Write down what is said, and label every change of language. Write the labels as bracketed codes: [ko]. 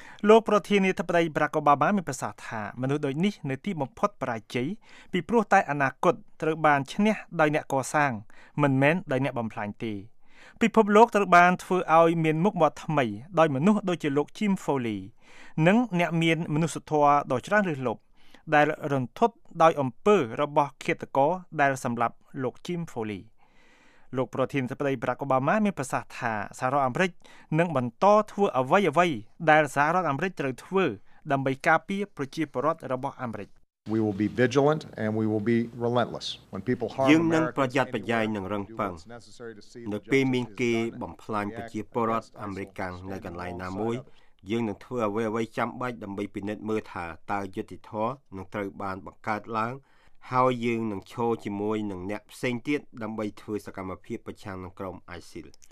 [km] លោកប្រធានាធិបតីបារាក់អូបាម៉ាមានប្រសាសន៍ថាមនុស្សដូចនេះនៅទីបំផុតប្រជាពីព្រោះតែអនាគតត្រូវបានឈ្នះដោយអ្នកកសាងមិនមែនដោយអ្នកបំផ្លាញទេពិភពលោកត្រូវបានធ្វើឲ្យមានមុខមាត់ថ្មីដោយមនុស្សដូចជាលោក Jim Foley និងអ្នកមានមនុស្សធម៌ដ៏ច្រើនឬលប់ដែលរន្ធត់ដោយអំពើរបស់ឃាតករដែលសម្លាប់លោក Jim Foley លោកប្រធានាធិបតីបារាក់អូបាម៉ាមានប្រសាសន៍ថាសហរដ្ឋអាមេរិកនឹងបន្តធ្វើអ្វីៗដែលសហរដ្ឋអាមេរិកត្រូវធ្វើដើម្បីការពារប្រជាពលរដ្ឋរបស់អាមេរិក [en] We will be vigilant and we will be relentless when people harm Americans. [km] យើងនឹងប្រយ័ត្នប្រយែងនឹងរឿងផ្ងនៅពេលមានគេបំផ្លាញប្រជាពលរដ្ឋអាមេរិកនៅកន្លែងណាមួយយើងនឹងធ្វើអ្វីៗចាំបាច់ដើម្បីពិនិត្យមើលថាតើយុត្តិធម៌នឹងត្រូវបានបង្កើតឡើងហើយយើងនឹងឈរជាមួយនឹងអ្នកផ្សេងទៀតដើម្បីធ្វើសកម្មភាពប្រឆាំងនឹងក្រុមអៃស៊ីល